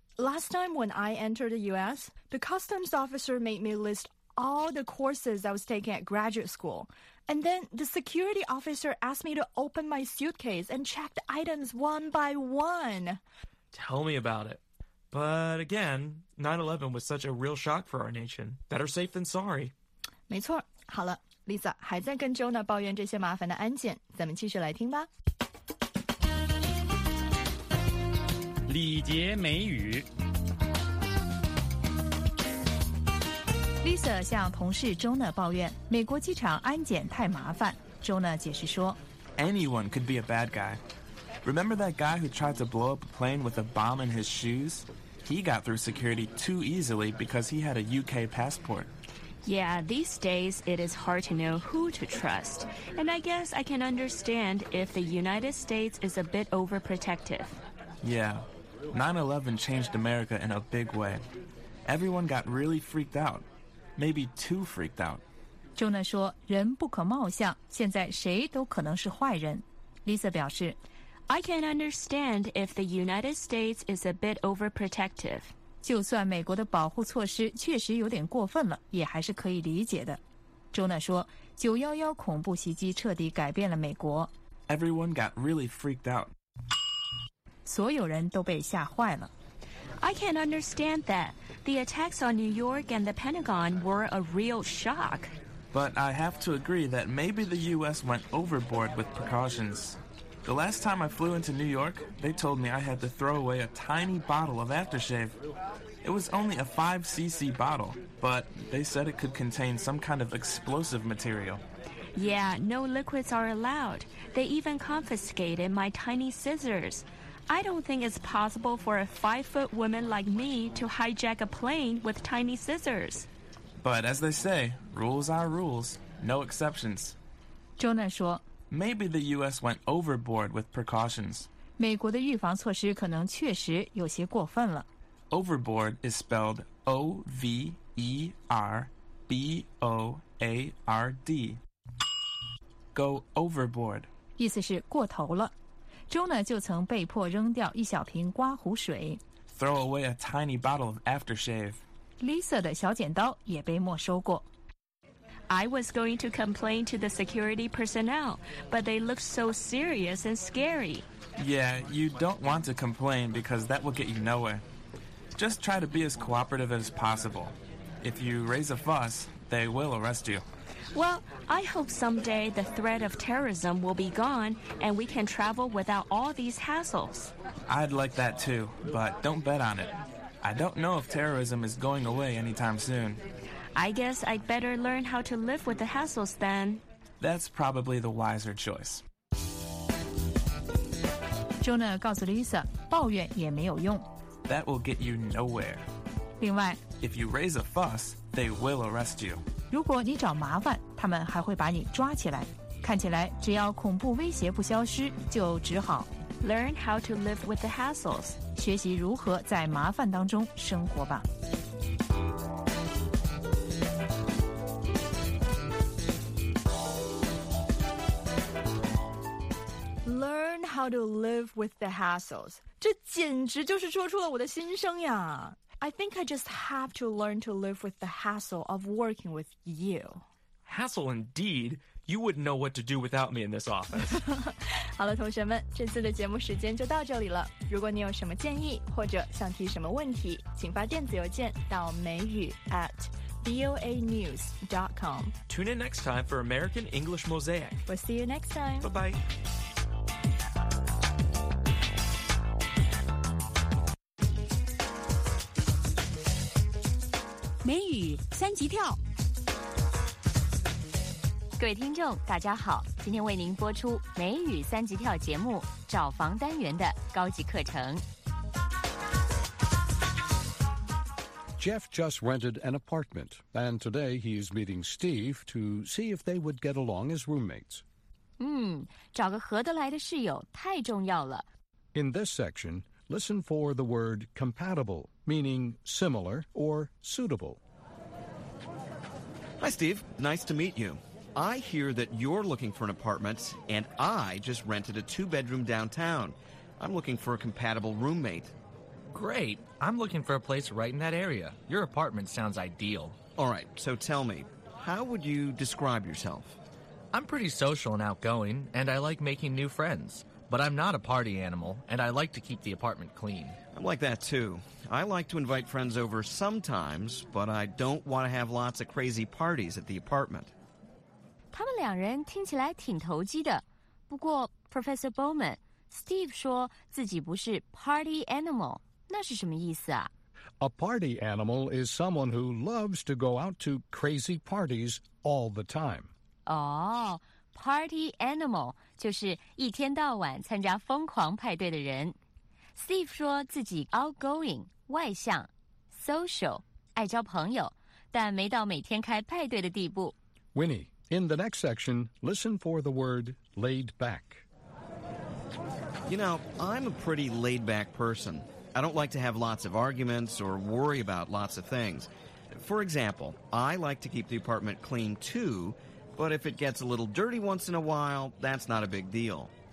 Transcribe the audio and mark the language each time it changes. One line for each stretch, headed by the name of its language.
English: Last time when I entered the U.S., the customs officer made me list all the courses I was taking at graduate school. And then the security officer asked me to open my suitcase and check the items one by one. Tell me about it. But again, 9/11 was such a real shock for our nation. Better safe than sorry.
Chinese: 没错。好了， Lisa 还在跟 Jonah 抱怨这些麻烦的安检，咱们继续来听吧。礼节美语。 Lisa 向同事 Jonah 抱怨美国机场安检太麻烦。 Jonah 解释说，
English: Anyone could be a bad guy. Remember that guy who tried to blow up a plane with a bomb in his shoes? He got through security too easily because he had a UK passport. Yeah, these days it is hard to know who to trust. And I guess I can understand if the United States is a bit overprotective. Yeah, 9/11 changed America in a big way. Everyone got really freaked out. Maybe too freaked out.
Chinese: Jonah 说，人不可貌相，现在谁都可能是坏人。 Lisa 表示，
English: I can understand if the United States is a bit overprotective.
Chinese: 就算美国的保护措施确实有点过分了，也还是可以理解的。 Jonah 说， 911恐怖袭击彻底改变了美国。
English: Everyone got really freaked out.
Chinese: 所有人都被吓坏了。
English: I can understand that. The attacks on New York and the Pentagon were a real shock. But I have to agree that maybe the U.S. went overboard with precautions. The last time I flew into New York, they told me I had to throw away a tiny bottle of aftershave. It was only a 5cc bottle, but they said it could contain some kind of explosive material. Yeah, no liquids are allowed. They even confiscated my tiny scissors. I don't think it's possible for a 5-foot woman like me to hijack a plane with tiny scissors. But as they say, rules are rules. No exceptions.
Chinese: Jonah 说，
English: Maybe the U.S. went overboard with precautions.
Chinese: 美国的预防措施可能确实有些过分了。
English: Overboard is spelled O-V-E-R-B-O-A-R-D. Go overboard.
Chinese: 意思是过头了。 Jonah 就曾被迫扔掉一小瓶刮胡水。
English: Throw away a tiny bottle of aftershave.
Chinese: Lisa 的小剪刀也被没收过。
English: I was going to complain to the security personnel, but they looked so serious and scary. Yeah, you don't want to complain because that will get you nowhere. Just try to be as cooperative as possible. If you raise a fuss, they will arrest you. Well, I hope someday the threat of terrorism will be gone and we can travel without all these hassles. I'd like that too, but don't bet on it. I don't know if terrorism is going away anytime soon. I guess I'd better learn how to live with the hassles then. That's probably the wiser choice.
Chinese: Jonah 告诉 Lisa, 抱怨也没有用。
English: That will get you nowhere.
Chinese: 另外，
English: If you raise a fuss, they will arrest you.
Chinese: 如果你找麻烦，他们还会把你抓起来。看起来，只要恐怖威胁不消失，就只好
English: Learn how to live with the hassles.
Chinese: 学习如何在麻烦当中生活吧。
English: Learn how to live with the hassles.
Chinese: 这简直就是说出了我的心声呀。
English: I think I just have to learn to live with the hassle of working with you. Hassle indeed. You wouldn't know what to do without me in this office.
Chinese: 好了，同学们，这次的节目时间就到这里了。如果你有什么建议或者想提什么问题，请发电子邮件到美语 @voanews.com.
English: Tune in next time for American English Mosaic. We'll see you next time. Bye-bye.
Chinese: 美语三级跳。各位听众大家好，今天为您播出美语三级跳节目找房单元的高级课程。
English: Jeff just rented an apartment, and today he is meeting Steve to see if they would get along as roommates.
Chinese: 找个合得来的室友太重要了。
English: In this section, listen for the word compatible, meaning similar or suitable. Hi, Steve. Nice to meet you. I hear that you're looking for an apartment, and I just rented a two-bedroom downtown. I'm looking for a compatible roommate. Great. I'm looking for a place right in that area. Your apartment sounds ideal. All right, so tell me, how would you describe yourself? I'm pretty social and outgoing, and I like making new friends. But I'm not a party animal, and I like to keep the apartment clean. I'm like that, too. I like to invite friends over sometimes, but I don't want to have lots of crazy parties at the apartment.
Chinese: 他们两人听起来挺投机的。不过 Professor Bowman, Steve 说自己不是 party animal. 那是什么意思啊?
English: A party animal is someone who loves to go out to crazy parties all the time.
Chinese: Oh, party animal 就是一天到晚参加疯狂派对的人。 Steve 说自己 outgoing, 外向, social, 爱交朋友,但没到每天开派对的地步。
English: Winnie, in the next section, listen for the word laid back. You know, I'm a pretty laid-back person. I don't like to have lots of arguments or worry about lots of things. For example, I like to keep the apartment clean too, but if it gets a little dirty once in a while, that's not a big deal.